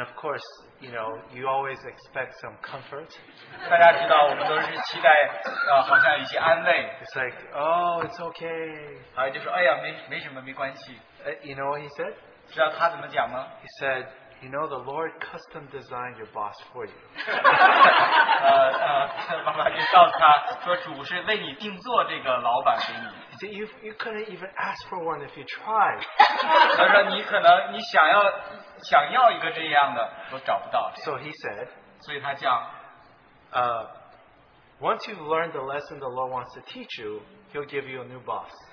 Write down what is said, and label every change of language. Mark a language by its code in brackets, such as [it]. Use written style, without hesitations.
[en] of course, you know, you always expect some comfort. [zh] 大家知道我们都是期待好像一些安慰。It's [en] like, oh, it's okay. [zh] 就说哎呀，没什么，没关系。 [en] You know what he said? [zh] 知道他怎么讲吗？ [en] He said, you know, the Lord custom designed your boss for you. [zh] 妈妈就告诉他说，主是为你定做这个老板给你。See, [en] you couldn't even ask for one if you tried. [zh] 他说你可能你想要一个这样的都找不到。So [en] he said. [zh] 所以他讲, [en] once you've learned the lesson the Lord wants to teach you, He'll give you a new boss.